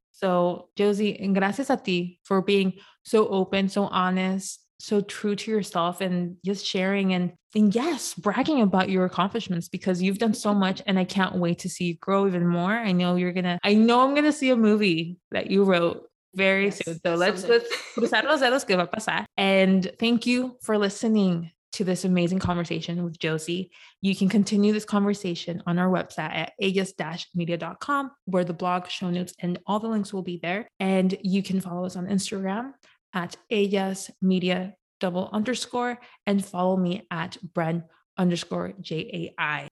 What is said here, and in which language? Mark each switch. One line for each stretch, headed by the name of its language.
English: So Josie,
Spanish: gracias a ti
English: for being so open, so honest, so true to yourself and just sharing and yes, bragging about your accomplishments because you've done so much and I can't wait to see you grow even more. I know I'm going to see a movie that you wrote very soon. So let's
Spanish: cruzar los dedos que va a pasar.
English: And thank you for listening to this amazing conversation with Josie. You can continue this conversation on our website at ellas-media.com, where the blog, show notes, and all the links will be there. And you can follow us on Instagram at ellas_media_, and follow me at Bren_JAI.